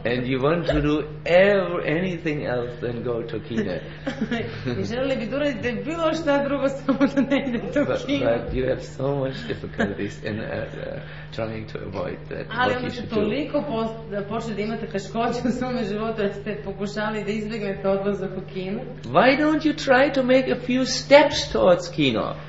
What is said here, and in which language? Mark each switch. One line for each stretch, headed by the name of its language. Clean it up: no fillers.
English: And you want to do anything else than go to Kina.
Serbian: I želeli bi da uradite bilo šta drugo samo da ne idete u Kinu.
English: But you have so much difficulties in trying to avoid that.
Serbian: Ali onda ste toliko počeli da imate teškoće u svom životu da ste pokušali da izbjegnete odlazak u Kinu.
English: Why don't you try to make a few steps towards Kino?